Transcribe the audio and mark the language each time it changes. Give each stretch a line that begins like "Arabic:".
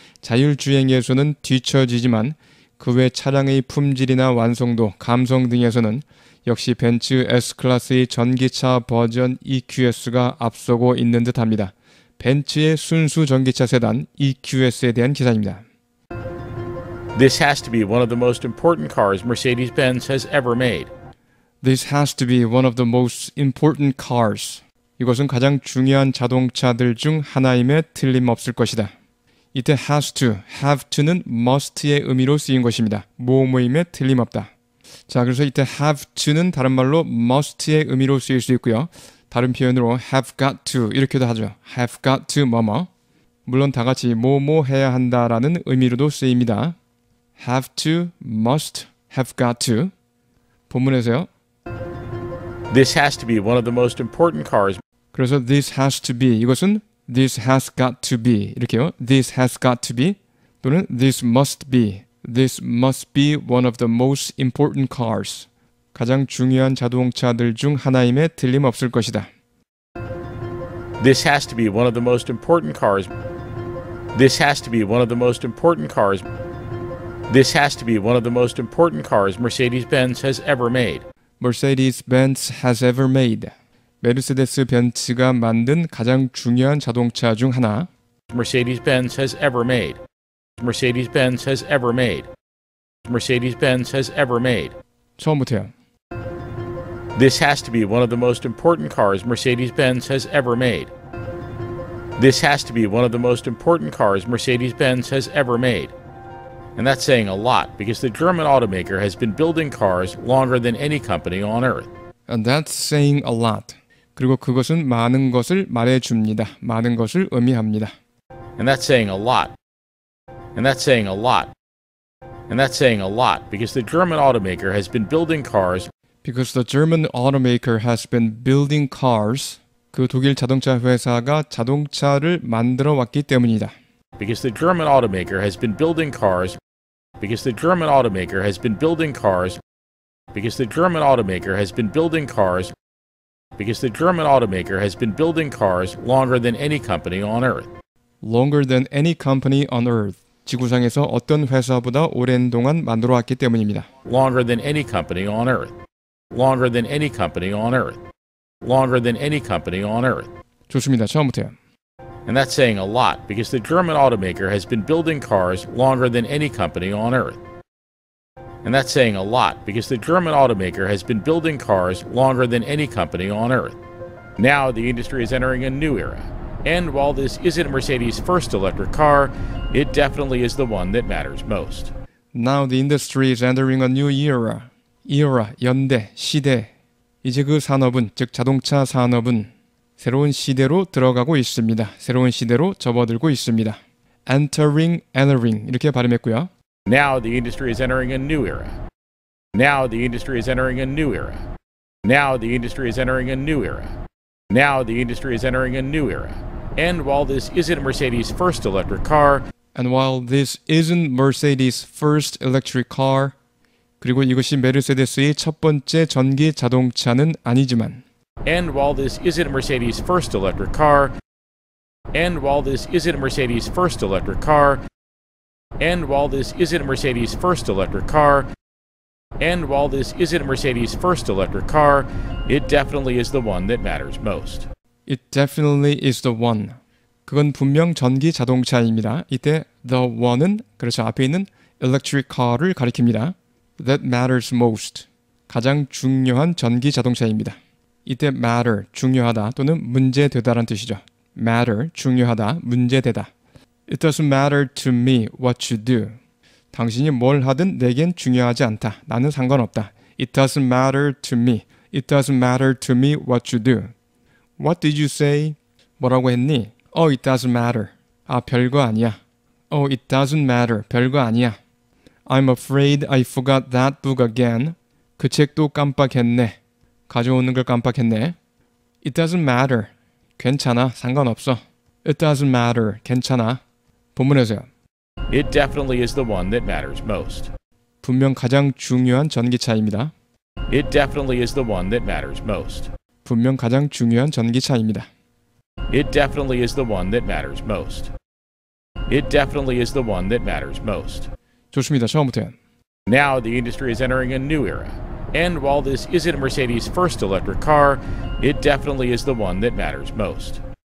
Korean: 자율주행에서는 뒤처지지만 그 외 차량의 품질이나 완성도, 감성 등에서는 역시 벤츠 S클래스의 전기차 버전 EQS가 앞서고 있는 듯합니다. 벤츠의 순수전기차 세단 EQS에 대한 기사입니다.
English: This has to be one of the most important cars Mercedes-Benz has ever made. This has to be one of the most important cars.
Korean: 이것은 가장 중요한 자동차들 중 하나임에 틀림없을 것이다. 이때
English: has to, have to
Korean: 는 must의 의미로 쓰인 것입니다. 뭐뭐임에 틀림없다. 자, 그래서 이때 have to는 다른 말로 must의 의미로 쓰일 수 있고요. 다른 표현으로
English: have got to
Korean: 이렇게도 하죠. have got to 뭐뭐. 물론 다 같이 뭐뭐 해야 한다라는 의미로도 쓰입니다.
English: have to, must, have got to.
Korean: 본문에서요.
English: This has to be one of the most important cars.
Korean: 그래서
English: this has to be,
Korean: 이것은
English: this has got to be,
Korean: 이렇게요.
English: this has got to be, 또는 this must be, this must be one of the most important cars.
Korean: 가장 중요한 자동차들 중 하나임에 틀림없을 것이다.
English: This has to be one of the most important cars. This has to be one of the most important cars. This has to be one of the most important cars Mercedes-Benz has ever made. Mercedes-Benz has ever made.
Korean: 메르세데스-벤츠가 만든 가장 중요한 자동차 중 하나.
English: Mercedes-Benz has ever made. Mercedes-Benz has ever made. Mercedes-Benz has ever made.
Korean: 처음부터요.
English: This has to be one of the most important cars Mercedes-Benz has ever made. This has to be one of the most important cars Mercedes-Benz has ever made. And that's saying a lot, because the German automaker has been building cars longer than any company on earth. And that's saying a lot.
Korean: 그리고 그것은 많은 것을 말해줍니다. 많은 것을 의미합니다.
English: And that's saying a lot. And that's saying a lot. And that's saying a lot, because the German automaker has been building cars. Because the German automaker has been building cars.
Korean: 그 독일 자동차 회사가 자동차를 만들어 왔기 때문이다.
English: Because the German automaker has been building cars. Because the German automaker has been building cars. Because the German automaker has been building cars. Because the German automaker has been building cars longer than any company on earth. Longer than any company on earth.
Korean: 지구상에서 어떤 회사보다 오랜 동안 만들어 왔기 때문입니다.
English: Longer than any company on earth. Longer than any company on earth. Longer than any company on earth.
Korean: 좋습니다. 처음부터요.
English: And that's saying a lot, because the German automaker has been building cars longer than any company on earth. And that's saying a lot, because the German automaker has been building cars longer than any company on earth. Now the industry is entering a new era. And while this isn't Mercedes' first electric car, it definitely is the one that matters most. Now the industry is entering a new era. Era,
Korean: 연대, 시대. 이제 그 산업은, 즉 자동차 산업은 새로운 시대로 들어가고 있습니다. 새로운 시대로 접어들고 있습니다.
English: Entering, entering
Korean: 이렇게 발음했고요.
English: Now the industry is entering a new era. Now the industry is entering a new era. Now the industry is entering a new era. Now the industry is entering a new era. And while this isn't Mercedes' first electric car, and while this isn't Mercedes' first electric car,
Korean: 그리고 이것이 메르세데스의 첫 번째 전기 자동차는 아니지만.
English: And while this isn't Mercedes' first electric car, and while this isn't Mercedes' first electric car, and while this isn't Mercedes' first electric car, and while this isn't Mercedes' first electric car, it definitely is the one that matters most. It definitely is the one.
Korean: 그건 분명 전기 자동차입니다. 이때
English: the one
Korean: 은 그렇죠 앞에 있는
English: electric car
Korean: 를 가리킵니다.
English: That matters most.
Korean: 가장 중요한 전기 자동차입니다. 이때 matter, 중요하다 또는 문제되다라는 뜻이죠. matter, 중요하다, 문제되다.
English: It doesn't matter to me what you do.
Korean: 당신이 뭘 하든 내겐 중요하지 않다. 나는 상관없다.
English: It doesn't matter to me. It doesn't matter to me what you do. What did you say?
Korean: 뭐라고 했니?
English: Oh, it doesn't matter.
Korean: 아, 별거 아니야.
English: Oh, it doesn't matter.
Korean: 별거 아니야.
English: I'm afraid I forgot that book again.
Korean: 그 책도 깜빡했네. 가져오는 걸 깜빡했네.
English: It doesn't matter.
Korean: 괜찮아. 상관없어.
English: It doesn't matter.
Korean: 괜찮아. 본문에서요.
English: It definitely is the one that matters most.
Korean: 분명 가장 중요한 전기차입니다.
English: It definitely is the one that matters most.
Korean: 분명 가장 중요한 전기차입니다.
English: It definitely is the one that matters most. It definitely is the one that matters most.
Korean: 좋습니다. 처음부터.
English: Now the industry is entering a new era. And while this isn't Mercedes' first electric car, it definitely is the one that matters most.